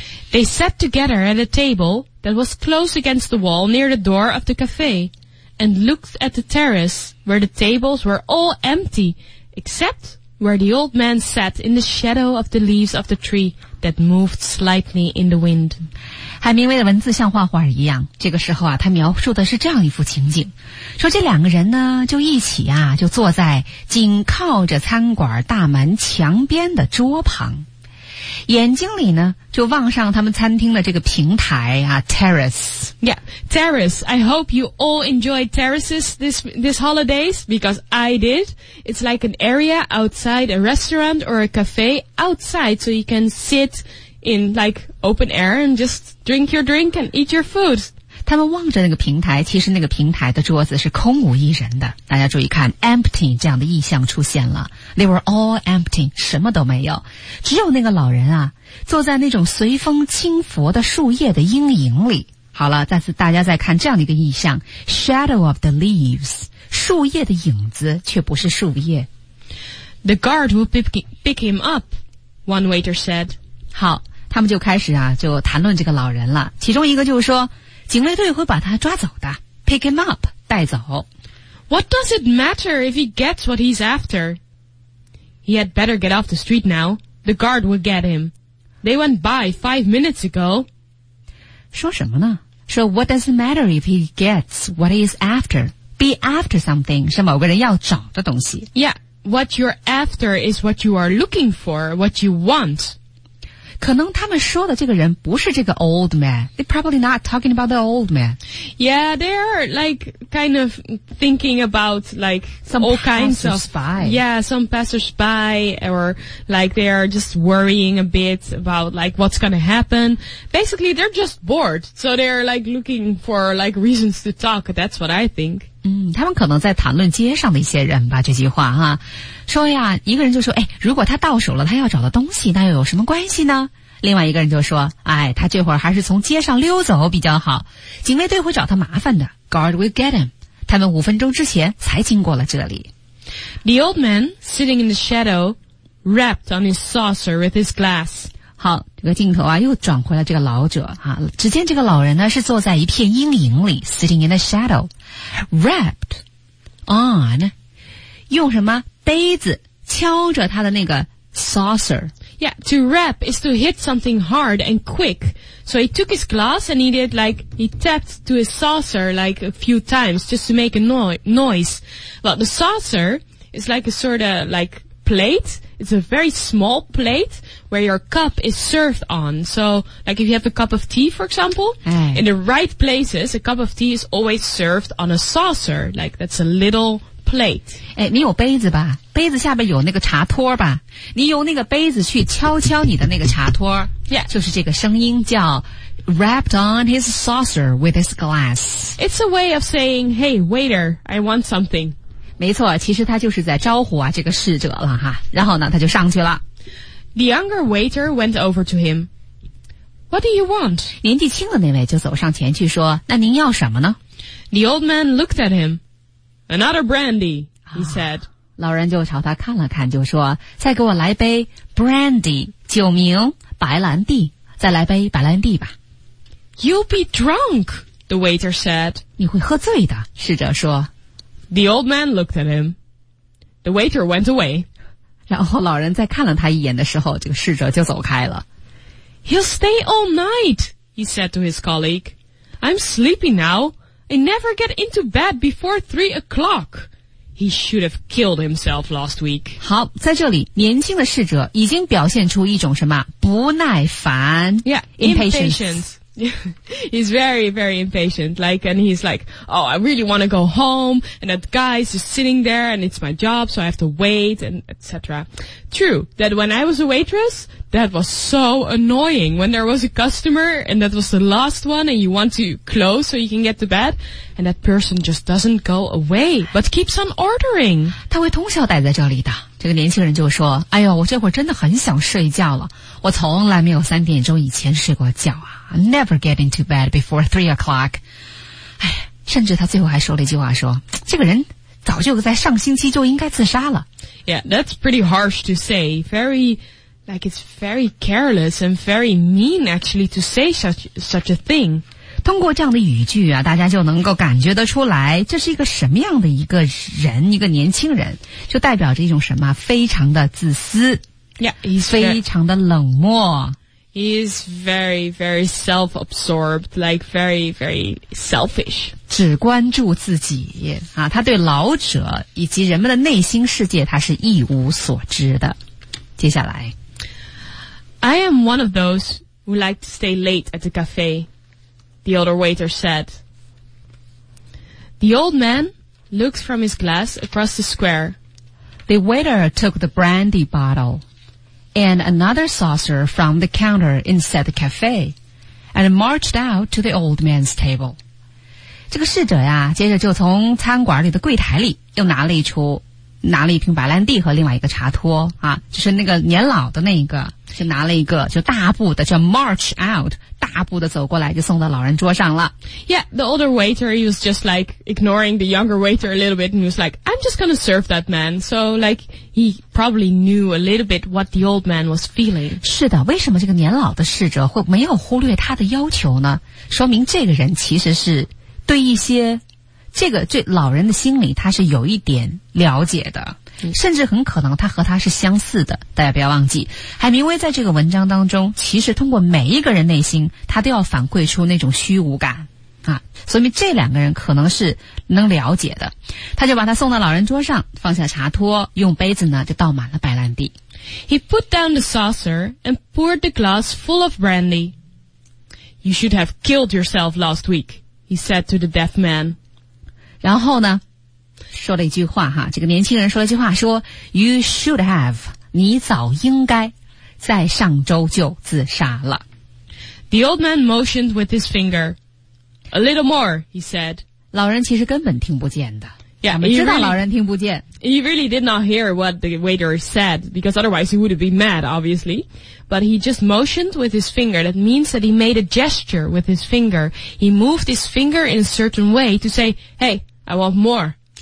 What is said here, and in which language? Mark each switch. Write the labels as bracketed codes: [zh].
[en] They sat together at a table that was close against the wall near the door of the cafe. And looked at the terrace where the tables were all empty, except where the old man sat in the shadow of the leaves of the tree that moved slightly in the wind. [zh] 海明威的文字像画画一样，这个时候啊，他描述的是这样一幅情景，说这两个人呢，就一起啊，就坐在紧靠着餐馆大门墙边的桌旁，眼睛里呢就望上他们餐厅的这个平台啊 ,terrace. [en] Yeah, terrace. I hope you all enjoy terraces this holidays, because I did. It's like an area outside a restaurant or a cafe outside, so you can sit in like open air and just drink your drink and eat your food. [zh] 他们望着那个平台，其实那个平台的桌子是空无一人的。大家注意看 ,empty 这样的意象出现了。 [en] They were all empty, [zh] 什么都没有。只有那个老人啊坐在那种随风轻拂的树叶的阴影里。好了，再次大家再看这样的一个意象 , [en] shadow of the leaves, [zh] 树叶的影子却不是树叶。 [en] The guard will pick him up, one waiter said. [zh] 好，他们就开始啊就谈论这个老人了。其中一个就说警卫队会把他抓走的 , [en] pick him up, [zh] 带走。 [en] What does it matter if he gets what he's after? He had better get off the street now. The guard would get him. They went by 5 minutes ago. [zh] 说什么呢？ [en] 说 what does it matter if he gets what he is after? Be after something [zh] 是某个人要找的东西。 [en] Yeah, what you're after is what you are looking for, what you want. [zh] 可能他们说的这个人不是这个 old man. [en] They're probably not talking about the old man. Yeah, they're like... kind of thinking about like some all kinds of spy. Yeah, some passersby or like they are just worrying a bit about like what's going to happen. Basically, they're just bored. So they're like looking for like reasons to talk. That's what I think. [zh] 嗯，他们可能在谈论街上的一些人吧，这句话哈。说呀，一个人就说，哎，如果他到手了，他要找的东西，那又有什么关系呢？另外一个人就说，哎，他这会儿还是从街上溜走比较好，警卫队会找他麻烦的。 [en] Guard will get him. [zh] 他们五分钟之前才经过了这里。 [en] The old man sitting in the shadow rapped on his saucer with his glass. [zh] 好，这个镜头啊又转回了这个老者啊，只见这个老人呢是坐在一片阴影里， [en] sitting in the shadow, rapped on, [zh] 用什么杯子敲着他的那个 saucer. [en] Yeah, to rap is to hit something hard and quick. So he took his glass and he tapped to his saucer like a few times just to make a noise. Well, the saucer is like a sort of like plate. It's a very small plate where your cup is served on. So like if you have a cup of tea, for example, hey. In the right places, a cup of tea is always served on a saucer. Like that's a little... plate. [zh] 哎，你有杯子吧？杯子下边有那个茶托吧？你用那个杯子去敲敲你的那个茶托。 [en] Yeah. [zh] 就是这个声音叫 [en] rapped on his saucer with his glass. It's a way of saying, hey, waiter, I want something. [zh] 没错，其实他就是在招呼啊这个侍者了哈。然后呢他就上去了。 [en] The younger waiter went over to him. What do you want? [zh] 年纪轻的那位就走上前去说，那您要什么呢？ [en] The old man looked at him. Another brandy, he said. [zh] 老人就朝他看了看，就说：“再给我来杯 brandy, 酒名白兰地，再来杯白兰地吧。” [en] You'll be drunk, the waiter said. [zh] 你会喝醉的，侍者说。 [en] The old man looked at him. The waiter went away. [zh] 然后老人再看了他一眼的时候，这个侍者就走开了。 [en] He'll stay all night, he said to his colleague. I'm sleepy now. I never get into bed before 3 o'clock. He should have killed himself last week. [zh] 好，在这里，年轻的侍者已经表现出一种什么不耐烦 [en] ？Yeah, impatient. He's very, very impatient. Like, and he's like, oh, I really want to go home, and that guy's just sitting there, and it's my job, so I have to wait, and etc. True that when I was a waitress, that was so annoying when there was a customer, and that was the last one, and you want to close so you can get to bed, and that person just doesn't go away, but keeps on ordering. [zh] 他会通宵待在这里的。这个年轻人就说，哎呦，我这会儿真的很想睡觉了，我从来没有三点钟以前睡过觉啊。 [en] Never get into bed before 3 o'clock. [zh] 哎，甚至他最后还说了一句话说，这个人早就在上星期就应该自杀了。 [en] Yeah, that's pretty harsh to say. Very, like it's very careless and very mean actually to say such a thing. [zh] 通过这样的语句啊，大家就能够感觉得出来，这是一个什么样的一个人，一个年轻人，就代表着一种什么，非常的自私。 [en] Yeah, he's [zh] 非常的冷漠。 [en] He is very, very self-absorbed, like very, very selfish. [zh] 只关注自己啊，他对老者以及人们的内心世界他是一无所知的。接下来。 [en] I am one of those who like to stay late at the cafe, the older waiter said. The old man looked from his glass across the square. The waiter took the brandy bottle. And another saucer from the counter inside the cafe, and marched out to the old man's table. [zh] 这个侍者呀，接着就从餐馆里的柜台里又拿了一瓶白兰地和另外一个茶托啊，就是那个年老的那一个，就拿了一个，就大步的就 [en] march out, [zh] 大步的走过来，就送到老人桌上了。 Yeah, the older waiter, he was just like ignoring the younger waiter a little bit, and he was like, I'm just gonna serve that man. So like, he probably knew a little bit what the old man was feeling. 是的，为什么这个年老的侍者会没有忽略他的要求呢？说明这个人其实是对一些这老人的心理他是有一点了解的，甚至很可能他和他是相似的。大家不要忘记，海明威在这个文章当中其实通过每一个人内心他都要反馈出那种虚无感啊，所以这两个人可能是能了解的。他就把他送到老人桌上，放下茶托，用杯子呢就倒满了白兰地。 [en] He put down the saucer and poured the glass full of brandy. You should have killed yourself last week, he said to the deaf man. [zh] 然后呢说了一句话哈，这个年轻人说了一句话，说 [en] You should have, [zh] 你早应该在上周就自杀了。 [en] The old man motioned with his finger. A little more, he said. [zh] 老人其实根本听不见的。 [en] Yeah, he really, [zh] 老人听不见. [en] He really did not hear what the waiter said, because otherwise he would have been mad, obviously. But he just motioned with his finger. That means that he made a gesture with his finger. He moved his finger in a certain way to say, hey, I want more.